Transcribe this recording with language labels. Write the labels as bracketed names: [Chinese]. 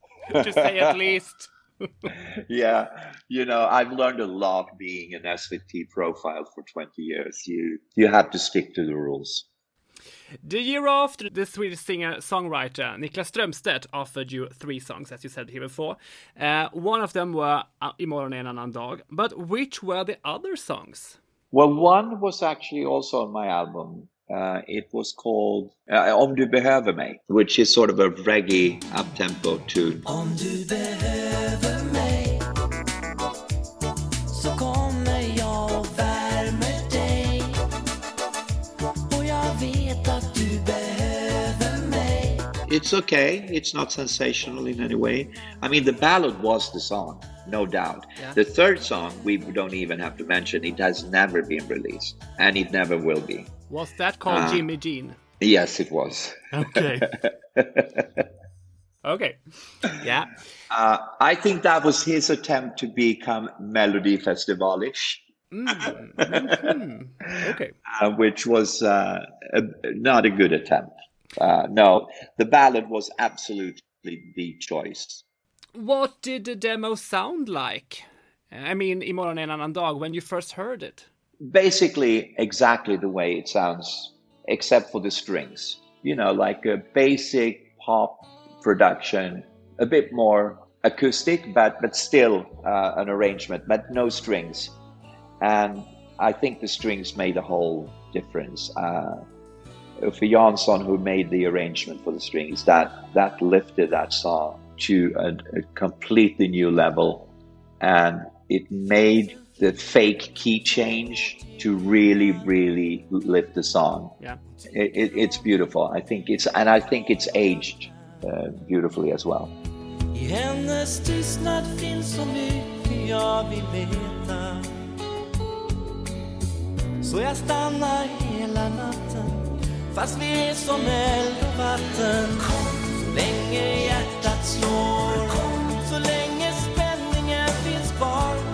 [English] To say at least. Yeah. You know, I've learned a lot being an SVT profile for 20 years. You have to stick to the rules. The year after, the Swedish singer-songwriter Niklas Strömstedt offered you three songs, as you said here before. One of them were Imorgon är en annan dag. But which were the other songs? Well, one was actually also on my album. It was called Om du behöver mig, which is sort of a reggae up-tempo tune. [Swedish] Om du behöver mig, så kommer jag och värmer dig. Och jag vet att du behöver mig. [English] It's okay. It's not sensational in any way. I mean, the ballad was the song, no doubt. Yeah. The third song, we don't even have to mention, it has never been released and it never will be. Was that called Jimmy Dean? Yes, it was. Okay. Yeah. I think that was his attempt to become Melody Festival-ish. Okay. Which was not a good attempt. No, the ballad was absolutely the choice. What did the demo sound like? I mean, Imorgon är en annan dag, when you first heard it? Basically, exactly the way it sounds, except for the strings. You know, like a basic pop production, a bit more acoustic, but still an arrangement, but no strings. And I think the strings made a whole difference. For Jansson, who made the arrangement for the strings, that lifted that song to a completely new level. And it made the fake key change to really, really lift the song. Yeah, it's beautiful. I think it's aged beautifully as well. [Swedish] I hennes tystnad finns så mycket jag vill veta. Så jag stannar hela natten, fast vi är som eld och vatten. Kom. Så länge hjärtat slår. Kom. Så länge spänningen finns kvar.